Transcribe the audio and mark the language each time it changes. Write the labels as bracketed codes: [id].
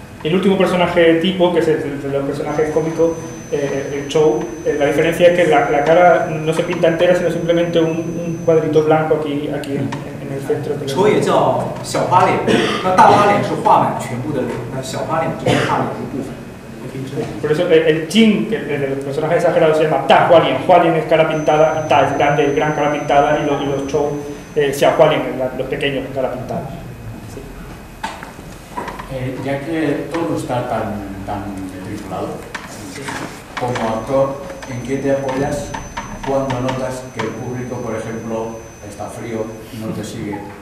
[es] El último personaje tipo que es de los personajes cómicos, el Chou, la diferencia es que la cara no se pinta entera sino simplemente un cuadrito blanco aquí en el centro. [zh] Chou 也叫小花脸，那大花脸是画满全部的脸，那小花脸就是画脸的部分。 [es] Por eso el Jin, que el personaje exagerado se llama Da Hualien, Hualien es cara pintada, Da es grande, es gran cara pintada, y los Chou, Xiao Hualien, los pequeños cara pintada. Sí. Ya que todo está tan desvinculado, como actor, ¿en qué te apoyas cuando notas que el público, por ejemplo, está frío y no te sigue?